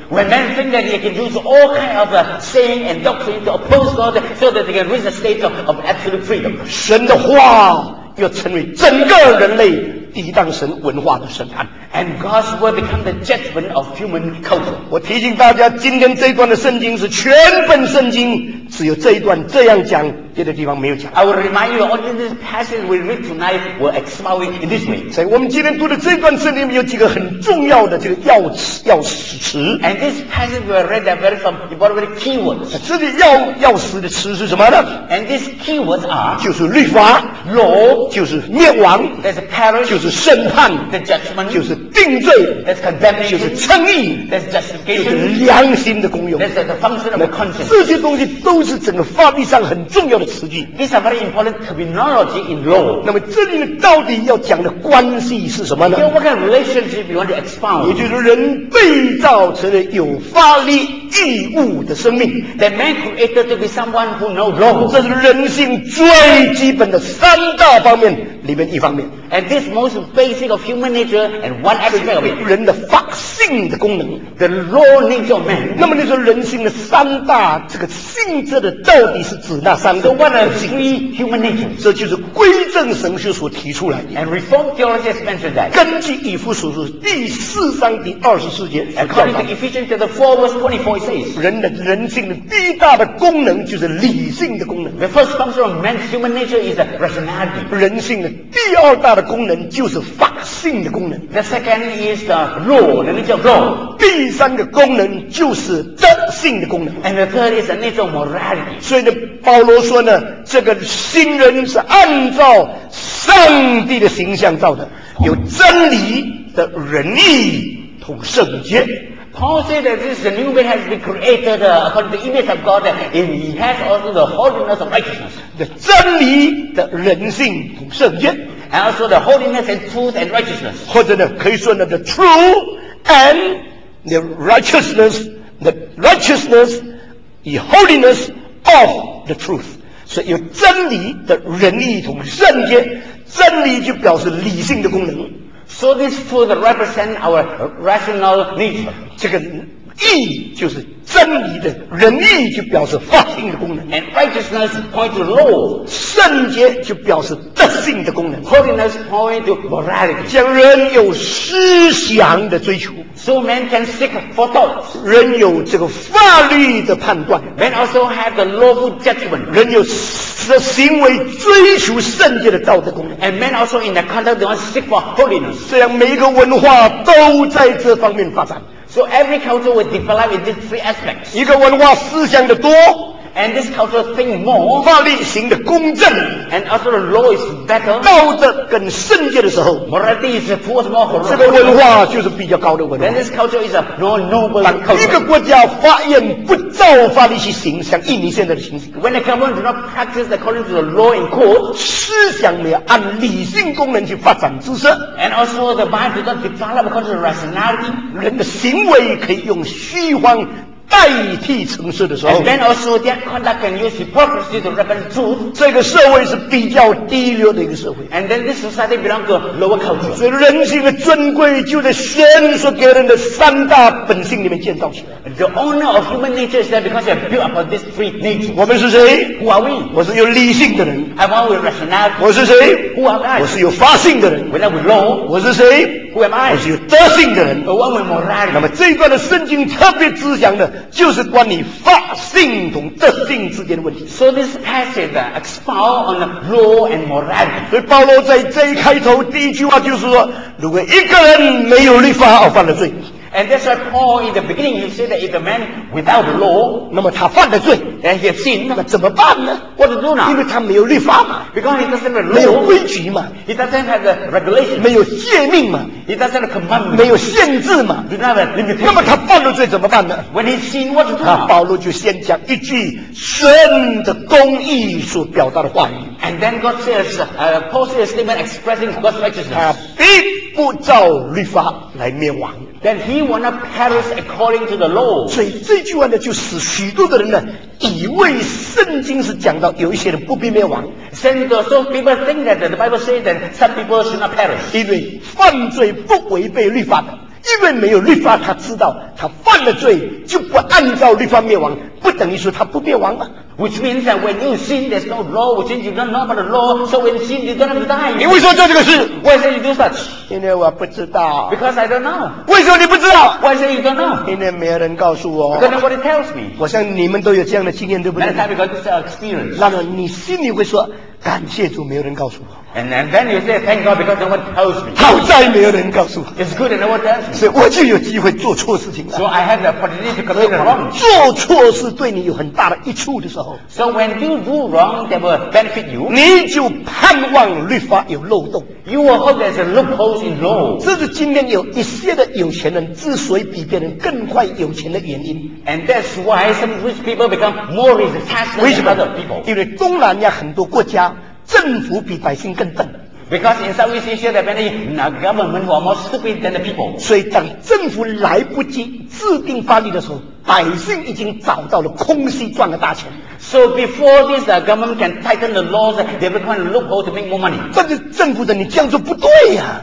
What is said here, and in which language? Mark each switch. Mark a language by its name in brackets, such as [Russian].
[English] when men think that they can use all kinds of saying and doctrine to oppose God so that they can reach a state of absolute freedom [Chinese] 神的话要成为整个人类抵挡神文化的审判 [English] and God's word become the judgment of human culture [Chinese] 我提醒大家今天这一段的圣经是全本圣经只有这一段这样讲别的地方没有讲 [English] I will remind you all this passage we read tonight will expound it in this way [Chinese] 所以我们今天读的这段圣经有几个很重要的这个要词要词 [English] and this passage we read are very important very key words [Chinese] 这里要词的词是什么呢 [English] and these key words are [Chinese] 就是律法 [English] law [Chinese] 就是灭亡 [English] there's a parish [Chinese] 就是审判 [English] the judgment [Chinese] 就是定罪 [English] there's condemnation [Chinese] 就是称义 [English] there's justification [Chinese] 就是良心的功用 [English] there's the function of conscience [Chinese] 这些东西都是整个法律上很重要的词句 [English] These are very important terminology in law [Chinese] 那么这里面到底要讲的关系是什么呢 [English] What kind of relationship you want to expound [Chinese] 也就是人被造成了有法律义务的生命 [English] The man created to be someone who knows law [Chinese] 这是人性最基本的三大方面里面一方面 [English] And this most basic of human nature and one aspect of it [Chinese] 人的法性的功能 [English] The law nature of man [Chinese] 那么你说人性的三大这个性质的到底是指那三个 [English] So what are three human nature [Chinese] 这就是归正神学所提出来的 [English] And reformed theology has mentioned that [Chinese] 根据以弗所书第四章第二十四节 [English] According to Ephesians chapter 4 verse 24 it says [Chinese] 人性的第一大的功能就是理性的功能 [English] The first function of man's human nature is rationality [Chinese] 人性的第二大的功能就是法性的功能 [English] The second is the law [Chinese] 那个叫 [English] law [Chinese] 第三个功能就是德性的功能 [English] And the third is the nature of morality [Chinese] 所以呢保罗说呢这个新人是按照上帝的形象造的有真理的仁义同圣洁 [English] Paul said that this new man has been created according to the image of God and he has also the holiness of righteousness. [Chinese] The 真理的人性和圣洁 [English] And also the holiness and truth and righteousness. [Chinese] 或者呢可以说呢 [English] the true and the righteousness, the holiness of the truth. [Chinese] 所以有真理的仁义和圣洁真理就表示理性的功能。 [English] So this truth represents our rational nature. [Chinese] 这个义就是真理的仁义就表示法性的功能。 [English] And righteousness points to law. [Chinese] 圣洁就表示德性的功能。 [English] Holiness points to morality. [Chinese] 将人有思想的追求。 [English] So men can seek for thoughts. [Chinese] 人有这个法律的判断。 [English] Men also have the lawful judgment. [Chinese] 人有的行为追求圣洁的道德功能 [English] and men also in the context they want to seek for holiness [Chinese] 这样每一个文化都在这方面发展 [English] so every culture will develop in these three aspects [Chinese] 一个文化思想的多 [English] And this culture think more. [Chinese] 法律行的公正。 [English] And also the law is better. [Chinese] 道德更圣洁的时候。 [English] Morality is towards more correct. [Chinese] 这个文化就是比较高的文化。 [English] And this culture is a more noble culture. [Chinese] 一个国家法院不照法律去行，像印尼现在的情形。 [English] When the government do not practice according to the law in court, [Chinese] 思想没有按理性功能去发展知识。 [English] And also the mind do not develop according to the rationality. [Chinese] 人的行为可以用虚妄代替城市的时候 [English] and then also that conduct can use hypocrisy to represent truth [Chinese] 这个社会是比较低流的一个社会 [English] and then this society belongs to lower culture [Chinese] 所以人性的尊贵就在先说给人的三大本性里面建造起来 [English] the honor of human nature is there because you have built upon this three nature [Chinese] 我们是谁 [English] who are we [Chinese] 我是有理性的人 [English] I'm one with rationality [Chinese] 我是谁 [English] who am I [Chinese] 我是有法性的人 [English] when I'm with law [Chinese] 我是谁 [English] who am I [Chinese] 我是有德性的人 [English] the one with morality [Chinese] 那么这一段的圣经特别指向的就是关于法性同德性之间的问题。 [English] So this passage expounds on the law and morality. [Chinese] 所以保罗在这一开头第一句话就是说，如果一个人没有律法，犯了罪。 [English] And that's why Paul in the beginning he said that if a man without the law, [Chinese] 那么他犯了罪 [English] then he has sinned. [Chinese] 那么怎么办呢？ [English] What to do now? [Chinese] 因为他没有律法嘛。 [English] Because he doesn't have the law. [Chinese] 没有规矩嘛。 [English] He doesn't have the regulation. [Chinese] 没有诫命嘛。 [English] He doesn't have the commandment. [Chinese] 没有限制嘛。 [English] He doesn't have the limitation. [Chinese] 那么他犯了罪怎么办呢？ [English] When he sinned, what to do now? [Chinese] 保罗就先讲一句神的公义所表达的话语。 [English] And then God says, Paul says a statement expressing God's righteousness. [Chinese] 他并不照律法来灭亡。 [English] Then he will not perish according to the law. [Chinese] 所以这句话呢，就使许多的人呢，以为圣经是讲到有一些人不必灭亡。 [English] So people think that the Bible says that some people should not perish. [Chinese] 因为犯罪不违背律法的，因为没有律法，他知道他犯了罪就不按照律法灭亡，不等于说他不灭亡吗？ [English] Which means that when you sin, there's no law. Which means you don't know about the law. So when you sin, you don't have to die. [Chinese] 你为什么做这个事？ [English] Why say you do such? [Chinese] 因为我不知道。 [English] Because I don't know. [Chinese] 为什么你不知道？ [English] Why say you don't know? [Chinese] 因为没有人告诉我。 [English] Because nobody tells me. [Chinese] 我想你们都有这样的经验，对不对？ [English] That's because this is our experience. [Chinese] 那么你心里会说，感谢主，没有人告诉我。 [English] And then you say, thank God, because no one tells me. [Chinese] 好在没有人告诉我。 [English] It's good that no one tells me. [Chinese] 所以我就有机会做错事情了。 [English] So I have the opportunity to commit the wrong. [Chinese] 做错事对你有很大的益处的时候。 [English] So when you do wrong, that will benefit you. [Chinese] 你就盼望律法有漏洞。 [English] You will hope there's a loophole in law. [Chinese] 这是今天有一些的有钱人之所以比别人更快有钱的原因。 [English] And that's why some rich people become more rich than other people. [Chinese] 为什么？因为东南亚很多国家政府比百姓更笨。 [English] Because in Southeast Asia, there are many governments who are more stupid than the people. [Chinese] 所以等政府来不及制定法律的时候，百姓已经找到了空隙赚了大钱。 [English] So before this, the government can tighten the laws, they will find a loophole to make more money. [Chinese] 但是政府的你这样做不对呀、